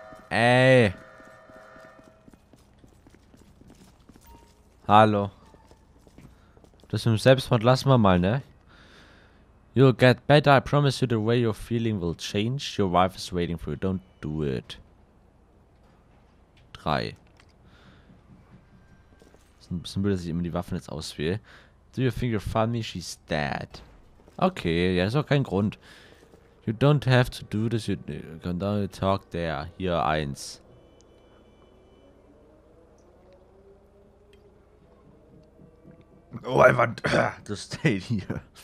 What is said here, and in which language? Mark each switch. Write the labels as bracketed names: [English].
[German] Ey. Hallo. Das mit dem Selbstmord lassen wir mal, ne? [English] You'll get better, I promise you, the way you're feeling will change. Your wife is waiting for you, don't do it. 3. [German] Ist ein bisschen blöd, dass ich immer die Waffen jetzt auswähle. [English] Do you think you're funny? She's dead. Okay, [German] ja, ist auch kein Grund. [English] You don't have to do this, you can only talk there. [German] Hier, 1. [English] Oh, I want to stay here.